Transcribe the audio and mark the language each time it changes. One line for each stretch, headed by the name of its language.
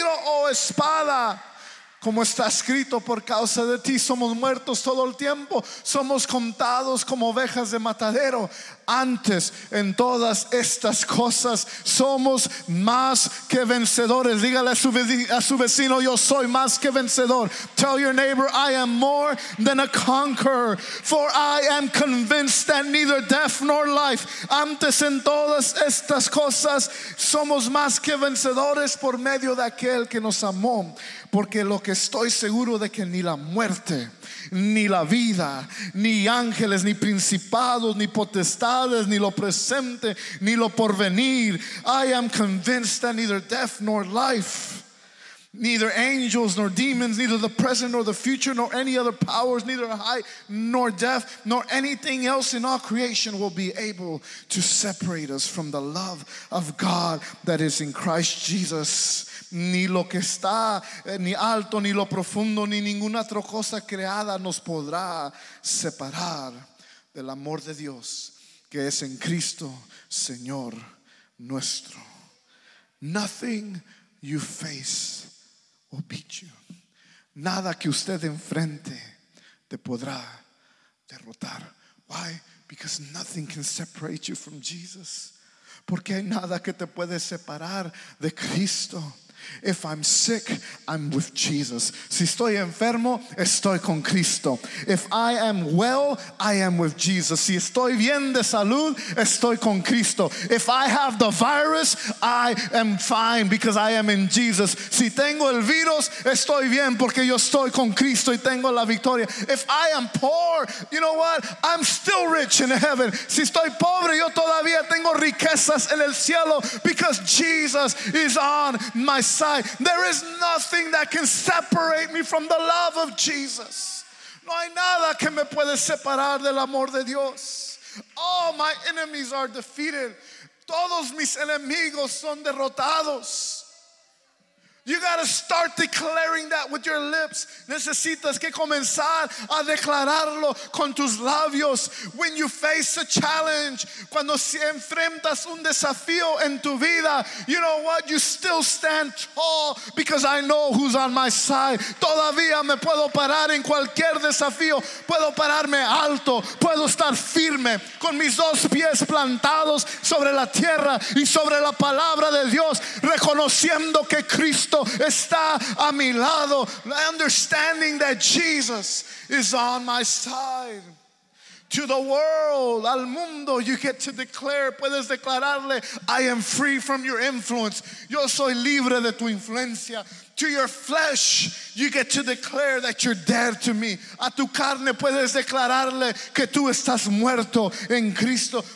Spanish: O espada, como está escrito, por causa de ti somos muertos todo el tiempo, somos contados como ovejas de matadero. Antes, en todas estas cosas, somos más que vencedores. Dígale a su vecino, yo soy más que vencedor.
English: Tell your neighbor, I am more than a conqueror. For I am convinced that neither death nor life.
Spanish: Antes, en todas estas cosas, somos más que vencedores por medio de aquel que nos amó. Porque lo que estoy seguro de que ni la muerte, ni la vida, ni ángeles, ni principados, ni potestades, ni lo presente, ni lo porvenir.
English: I am convinced that neither death nor life, neither angels nor demons, neither the present nor the future, nor any other powers, neither height nor depth, nor anything else in all creation will be able to separate us from the love of God that is in Christ Jesus.
Spanish: Ni lo que está, ni alto, ni lo profundo, ni ninguna otra cosa creada nos podrá separar del amor de Dios que es en Cristo Señor nuestro.
English: Nothing you face will beat you.
Spanish: Nada que usted enfrente te podrá derrotar.
English: Why? Because nothing can separate you from Jesus.
Spanish: Porque hay nada que te puede separar de Cristo.
English: If I'm sick, I'm with Jesus.
Spanish: Si estoy enfermo, estoy con Cristo.
English: If I am well, I am with Jesus.
Spanish: Si estoy bien de salud, estoy con Cristo.
English: If I have the virus, I am fine because I am in Jesus.
Spanish: Si tengo el virus, estoy bien porque yo estoy con Cristo y tengo la victoria.
English: If I am poor, you know what? I'm still rich in heaven.
Spanish: Si estoy pobre, yo todavía tengo riquezas en el cielo
English: because Jesus is on my side. There is nothing that can separate me from the love of Jesus.
Spanish: No hay nada que me puede separar del amor de Dios.
English: All my enemies are defeated.
Spanish: Todos mis enemigos son derrotados.
English: You got to start declaring that with your lips.
Spanish: Necesitas que comenzar a declararlo con tus labios.
English: When you face a challenge,
Spanish: cuando si enfrentas un desafío en tu vida,
English: you know what? You still stand tall because I know who's on my side.
Spanish: Todavía me puedo parar en cualquier desafío. Puedo pararme alto. Puedo estar firme con mis dos pies plantados sobre la tierra y sobre la palabra de Dios, reconociendo que Cristo está a mi lado,
English: understanding that Jesus is on my side. To the world,
Spanish: al mundo,
English: you get to declare,
Spanish: puedes declararle,
English: I am free from your influence.
Spanish: Yo soy libre de tu influencia.
English: To your flesh, you get to declare that you're dead to me.
Spanish: A tu carne puedes declararle que tú estás muerto en Cristo.